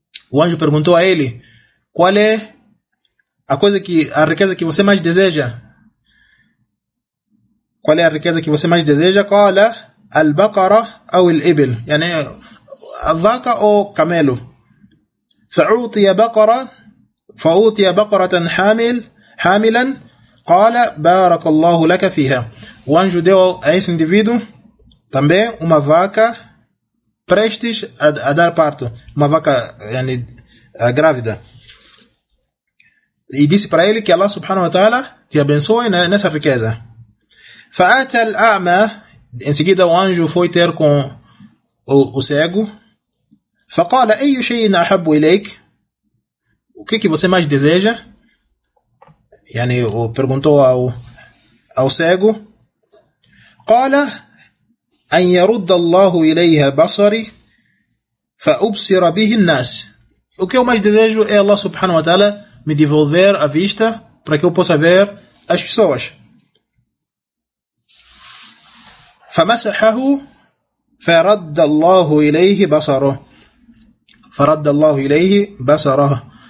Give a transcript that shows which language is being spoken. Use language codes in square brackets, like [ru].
[pt] O anjo perguntou a ele: qual é a coisa que a riqueza que você mais deseja? Qual é a riqueza que você mais deseja? [ar] قال البقرة أو الإبل. يعني [pt] a vaca ou camelo. [ar] فعطي بقرة فأوتي بقرة حاملا قال بارك الله لك فيها. [pt] O anjo deu a esse indivíduo também uma vaca prestes a dar parto, uma vaca yani, grávida, e disse para ele que Allah subhanahu wa ta'ala te abençoe nessa riqueza. [ar] فأتى الأعمى, [pt] em seguida o anjo foi ter com o cego. [ar] فقال أي شيء أحب إليك, [pt] o que você mais deseja? Yani, perguntou ao cego. [ar] قال أن يرد الله إليها بصري فأبصر به الناس. [pt] O que eu mais desejo é Allah subhanahu wa ta'ala me devolver a vista para que eu possa ver as pessoas. [ar] فمسحه فرد الله إليه بصره. فرد الله إليه بصره.